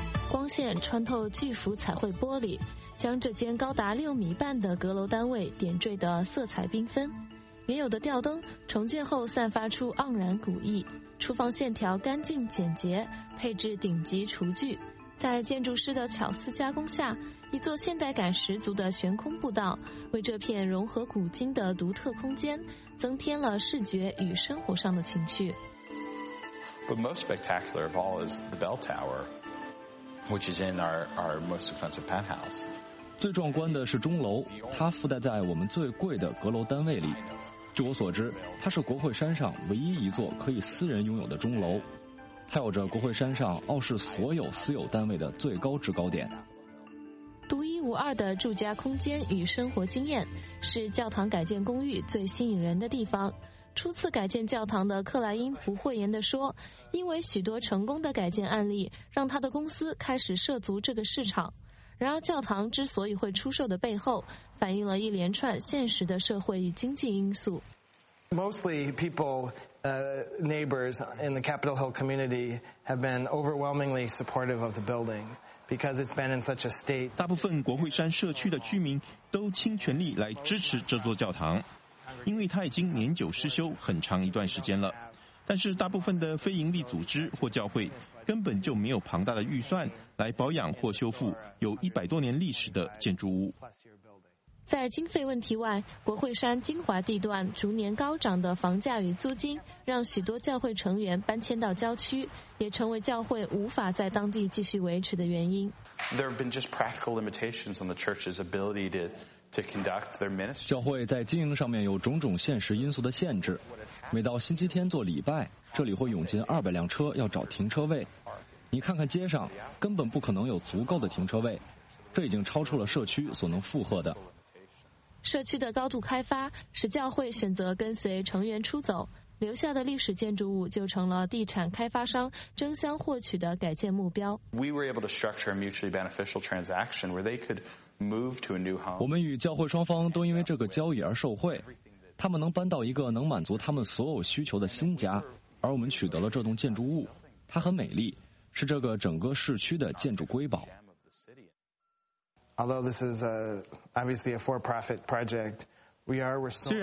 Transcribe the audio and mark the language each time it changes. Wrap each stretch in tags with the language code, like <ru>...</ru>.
<zh>光线穿透巨幅彩绘玻璃，将这间高达6米半的阁楼单位点缀得色彩缤纷，原有的吊灯重建后散发出盎然古意，厨房线条干净简洁，配置顶级厨具，在建筑师的巧思加工下，一座现代感十足的悬空步道为这片融合古今的独特空间增添了视觉与生活上的情趣。</zh> <en>But most spectacular of all is the bell tower. Which is in our most expensive penthouse.</en> <zh>最壮观的是钟楼，它附带在我们最贵的阁楼单位里。据我所知，它是国会山上唯一一座可以私人拥有的钟楼，它有着国会山上傲视所有私有单位的最高制高点。独一无二的住家空间与生活经验是教堂改建公寓最吸引人的地方。初次改建教堂的克莱因不讳言地说，因为许多成功的改建案例让他的公司开始涉足这个市场。然而教堂之所以会出售的背后反映了一连串现实的社会与经济因素。</zh> <en>Mostly people, neighbors in the Capitol Hill community have been overwhelmingly supportive of the building because it's been in such a state.</en> <zh>大部分国会山社区的居民都倾全力来支持这座教堂，因为它已经年久失修很长一段时间了，但是大部分的非营利组织或教会根本就没有庞大的预算来保养或修复有100多年历史的建筑物。在经费问题外，国会山精华地段逐年高涨的房价与租金让许多教会成员搬迁到郊区，也成为教会无法在当地继续维持的原因。</zh> <en>There have been just practical limitations on the church's ability to conduct their ministry.</en> <zh>教会在经营上面有种种现实因素的限制，每到星期天做礼拜，这里会涌进200辆车要找停车位，你看看街上根本不可能有足够的停车位，这已经超出了社区所能负荷的。社区的高度开发使教会选择跟随成员出走，留下的历史建筑物就成了地产开发商争相获取的改建目标。</zh> <en>We were able to structure a mutually beneficial transaction where they could move to a new home.</en> <zh>我们与教会双方都因为这个交易而受惠，他们能搬到一个能满足他们所有需求的新家，而我们取得了这栋建筑物，它很美丽，是这个整个市区的建筑瑰宝。</zh> <en>Although this is obviously a for-profit project, we are restoring.</en>